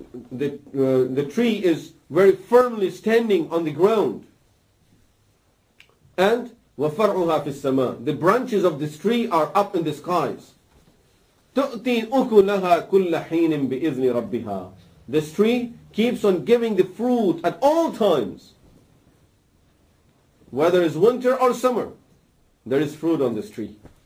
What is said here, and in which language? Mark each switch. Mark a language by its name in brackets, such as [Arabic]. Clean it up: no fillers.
[English] The tree is very firmly standing on the ground. [Arabic] And وَفَرْعُهَا فِي السَّمَاءِ. [English] The branches of this tree are up in the skies. [Arabic] تُؤْتِي أُكُلَهَا كُلَّ حِينٍ بِإِذْنِ رَبِّهَا. [English] This tree keeps on giving the fruit at all times. Whether it's winter or summer, there is fruit on this tree.